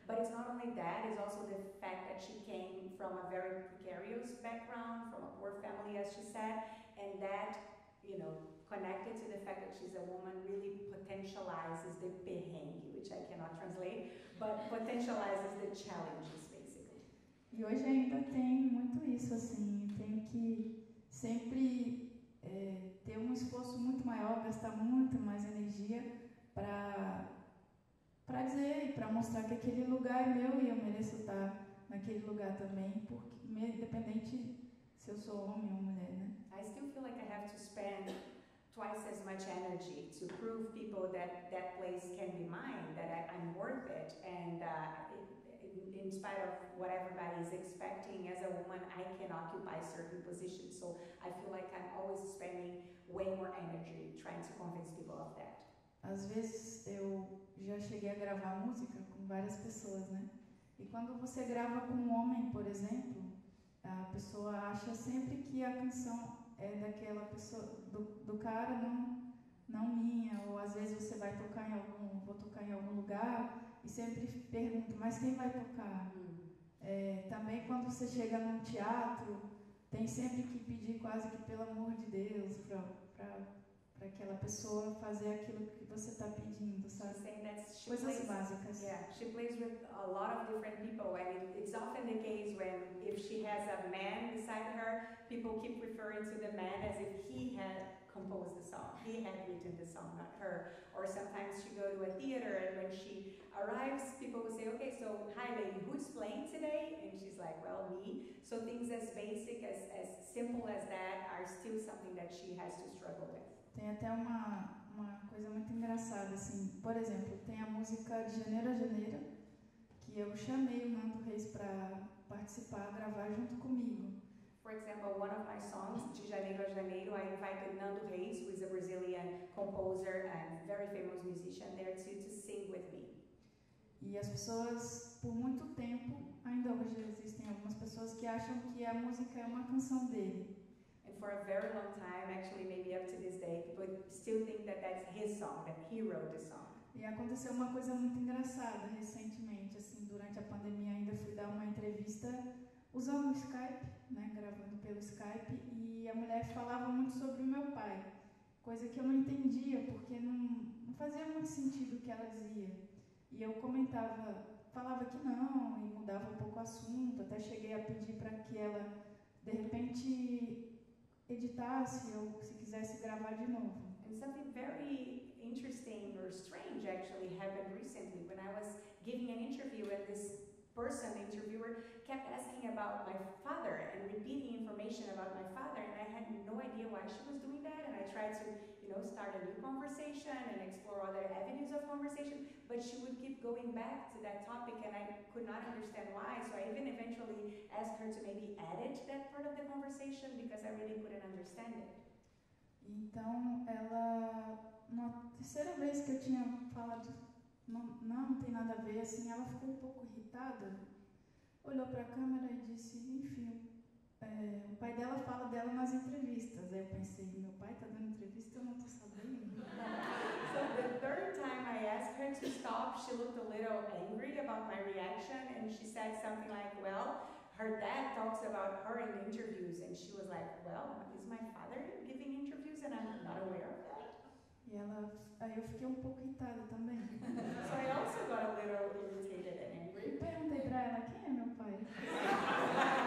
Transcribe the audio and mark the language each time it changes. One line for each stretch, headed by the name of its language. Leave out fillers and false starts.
English: But it's not only that, it's also the fact that she came from a very precarious background, from a poor family, as she said, and that, you know, connected to the fact that she's a woman, really potentializes the perrengue, which I cannot translate, but potentializes the challenges, basically.
Portuguese: E hoje ainda tem muito isso, assim, tenho que sempre ter um esforço muito maior, gastar muito mais energia para dizer e para mostrar que aquele lugar é meu e eu mereço estar naquele lugar também, porque independente se eu sou homem ou mulher, né?
English: I still feel like I have to spend twice as much energy to prove people that that place can be mine, that I'm worth it, and in spite of what everybody is expecting as a woman, I can occupy certain positions. So I feel like I'm always spending way more energy trying to convince people of that.
Portuguese: Às vezes eu já cheguei a gravar música com várias pessoas, né? E quando você grava com um homem, por exemplo, a pessoa acha sempre que a canção é daquela pessoa, do cara, não minha. Ou às vezes você vai tocar em algum, vou tocar em algum lugar e sempre pergunto, mas quem vai tocar? Também quando você chega num teatro, tem sempre que pedir quase que pelo amor de Deus para aquela pessoa fazer aquilo que você está pedindo, sabe? Coisas básicas.
English: Yeah, she plays with a lot of different people, and it's often the case when if she has a man beside her, people keep referring to the man as if he had composed the song, he had written the song, not her. Or sometimes she goes to a theater, and when she arrives, people will say, okay, so hi, lady, who's playing today? And she's like, well, me. So things as basic, as simple as that, are still something that she has to struggle with.
Portuguese: Tem até uma coisa muito engraçada, assim, por exemplo, tem a música de Janeiro a Janeiro, que eu chamei o Nando Reis para participar, gravar junto comigo.
English: For example, one of my songs, de Janeiro a Janeiro, I invited Nando Reis, who is a Brazilian composer and very famous musician there to sing with me.
Portuguese: E as pessoas, por muito tempo, ainda hoje existem algumas pessoas que acham que a música é uma canção dele.
English: And for a very long time, actually maybe up to this day, people still think that that's his song, that he wrote the song.
Portuguese: E aconteceu uma coisa muito engraçada recentemente, assim, durante a pandemia, ainda fui dar uma entrevista usando o Skype, né, gravando pelo Skype, e a mulher falava muito sobre o meu pai, coisa que eu não entendia, porque não fazia muito sentido o que ela dizia. E eu comentava, falava que não, e mudava um pouco o assunto, até cheguei a pedir para que ela, de repente, editasse ou se quisesse gravar de novo.
English: And something very interesting or strange actually happened recently when I was giving an interview and this person, the interviewer, kept asking about my father and repeating information about my father, and I had no idea why she was doing that, and I tried to, you know, start a new conversation and explore other avenues of conversation, but she would keep going back to that topic and I could not understand why, so I even eventually asked her to maybe edit that part of the conversation because I really couldn't understand it.
Portuguese: Então, ela, na terceira vez que eu tinha falado, não tem nada a ver, assim, ela ficou um pouco irritada, olhou para a câmera e disse, enfim, O pai dela fala dela nas entrevistas. Aí eu pensei, meu pai tá dando entrevista, eu não tô sabendo.
English: So the third time I asked her to stop, she looked a little angry about my reaction and she said something like, well, her dad talks about her in interviews, and she was like, well, is my father giving interviews and I'm not aware of that?
Portuguese: E ela, aí eu fiquei um pouco irritada também.
English: So I also got a little irritated and angry.
Portuguese: E perguntei pra ela, quem é meu pai?